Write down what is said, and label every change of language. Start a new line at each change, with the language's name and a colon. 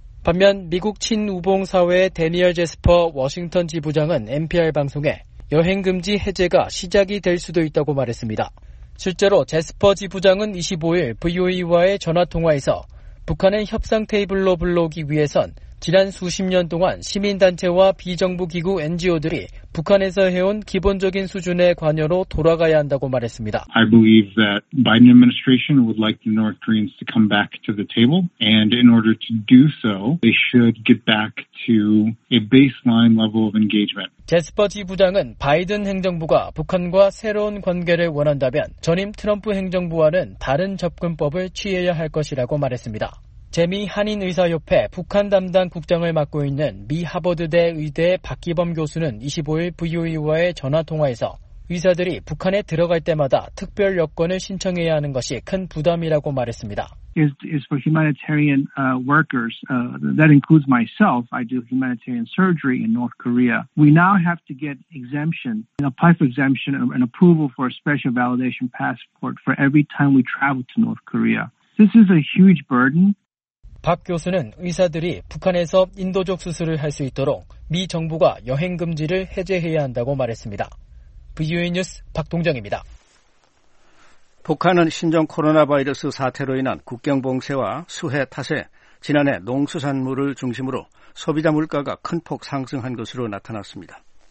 Korean: 반면 미국 친우봉사회의 대니얼 제스퍼 워싱턴 지부장은 NPR 방송에 여행금지 해제가 시작이 될 수도 있다고 말했습니다. 실제로 제스퍼 지부장은 25일 VOE와의 전화통화에서 북한을 협상 테이블로 불러오기 위해선 지난 수십 년 동안 시민단체와 비정부기구 NGO들이 북한에서 해온 기본적인 수준의 관여로 돌아가야 한다고 말했습니다.
English: I believe that Biden administration would like the North Koreans to come back to the table. And in order to do so, they should get back to a baseline level of engagement.
Korean: 제스퍼 지부장은 바이든 행정부가 북한과 새로운 관계를 원한다면 전임 트럼프 행정부와는 다른 접근법을 취해야 할 것이라고 말했습니다. 재미 한인의사협회 북한 담당 국장을 맡고 있는 미 하버드대 의대 박기범 교수는 25일 VOE와의 전화통화에서 의사들이 북한에 들어갈 때마다 특별 여권을 신청해야 하는 것이 큰 부담이라고 말했습니다.
English: Is for humanitarian workers. That includes myself. I do humanitarian surgery in North Korea. We now have to get exemption, apply for exemption and approval for a special validation passport for every time we travel to North Korea. This is a huge burden.
Korean: 박 교수는 의사들이 북한에서 인도적 수술을 할 수 있도록 미 정부가 여행 금지를 해제해야 한다고 말했습니다. VOA 뉴스 박동정입니다. 북한은 신종 코로나 바이러스 사태로 인한 국경 봉쇄와 수해 탓에 지난해 농수산물을 중심으로 소비자 물가가 큰 폭 상승한 것으로 나타났습니다.